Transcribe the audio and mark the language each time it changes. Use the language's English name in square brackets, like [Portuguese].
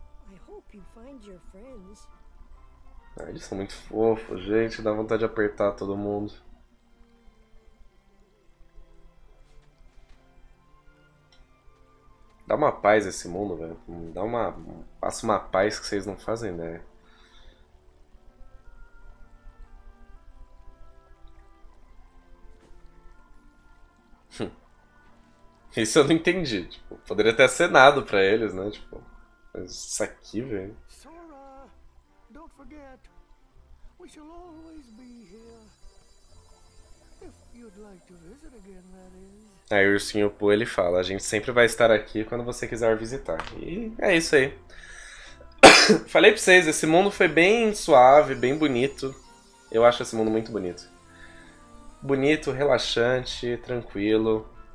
[English] I hope you find your friends. [Portuguese] Ah, eles são muito fofos, gente. Dá vontade de apertar todo mundo. Dá uma paz esse mundo, velho. Dá uma. Passa uma paz que vocês não fazem ideia. Isso eu não entendi. Tipo, poderia ter acenado pra eles, né? Tipo, mas isso aqui, velho. Sora, não esqueça. [English] We shall always be here. If you'd like to visit again, that is. [Portuguese] Aí o ursinho Pooh, ele fala, a gente sempre vai estar aqui quando você quiser visitar. E é isso aí. Falei pra vocês, esse mundo foi bem suave, bem bonito. Eu acho esse mundo muito bonito. Bonito, relaxante, tranquilo.